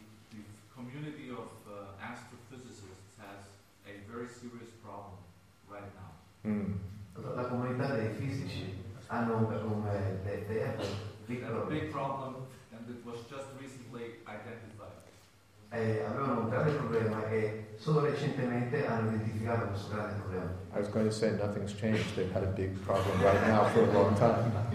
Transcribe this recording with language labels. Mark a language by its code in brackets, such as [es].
[en] The community of astrophysicists has a very serious problem right now. [it] La comunità dei fisici hanno [en] a big problem, and it was just recently identified. [it] Avevano un grande problema e solo recentemente hanno identificato questo grande problema. [en] I was going to say nothing's changed. They've had a big problem right now for a long time.